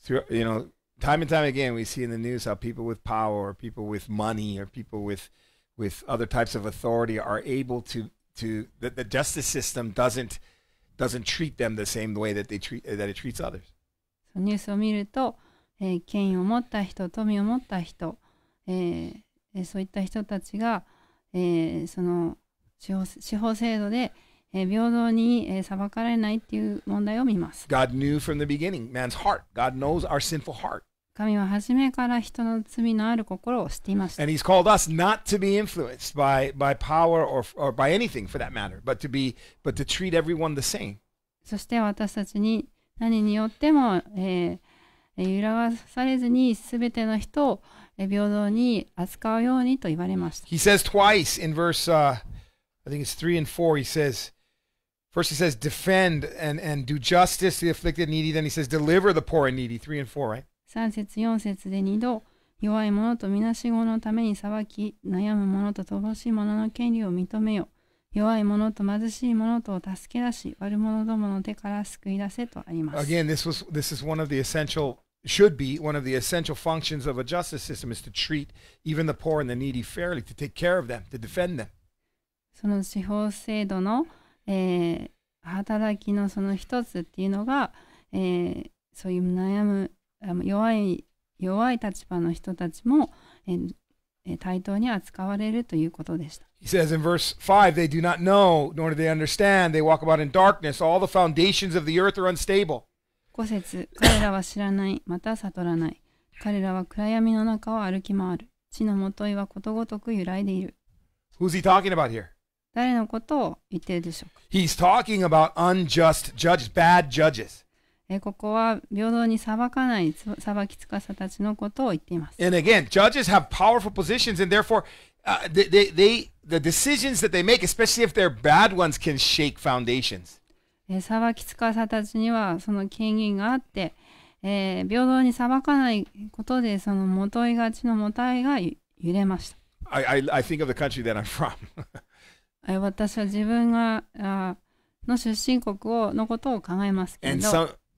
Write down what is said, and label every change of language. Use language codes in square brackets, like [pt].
[en] You know, time and time again we see in the news how people with power or people with money or people with other types of authority are able that the justice system doesn't treat them the same way that it treats others. [ja] ニュースを見ると、権威を持った人、富を持った人、そういった人たちが、その司法制度で、平等に、裁かれないっていう問題を見ます。 [en] God knew from the beginning, man's heart. God knows our sinful heart. [ja] 神は初めから人の罪のある心を知っていました。 [en] And he's called us not to be influenced by power or by anything for that matter, but to treat everyone the same. [ja] そして私たちに何によっても、揺らがされずに全ての人を平等に扱うようにと言われました。 [en] He says twice in verse, I think it's 3 and 4, he says, first he says, defend and do justice to the afflicted needy, then he says, deliver the poor and needy, 3 and 4, right? [ja] 3節4節で2度、弱い者とみなし子のために裁き、悩む者と乏しい者の権利を認めよ。弱い者と貧しい者とを助け出し、悪者どもの手から救い出せとあります。 [en] Again, this is one of the essential, should be one of the essential functions of a justice system is to treat even the poor and the needy fairly, to take care of them, to defend them. [ja] その司法制度の、働きのその一つっていうのが、そういう悩む弱い立場の人たちも、対等に扱われるということでした。 [en] He says in verse 5, they do not know, nor do they understand. They walk about in darkness. All the foundations of the earth are unstable. [ja] 五節、彼らは知らない、また悟らない。彼らは暗闇の中を歩き回る。地のもといはことごとく揺らいでいる。 [en] Who's he talking about here? [ja] 誰のことを言っているでしょうか? [en] He's talking about unjust judges, bad judges. [ja] ここは平等に裁かない裁き司たちのことを言っています。 [en] And again, judges have powerful positions, and therefore, the decisions that they make, especially if they're bad ones, can shake foundations. [ja] 裁き司たちにはその権限があって、平等に裁かないことでそのもといが地のもたいが揺れました。 [en] I think of the country that I'm from. [ja] 私は自分がの出身国をのことを考えますけど。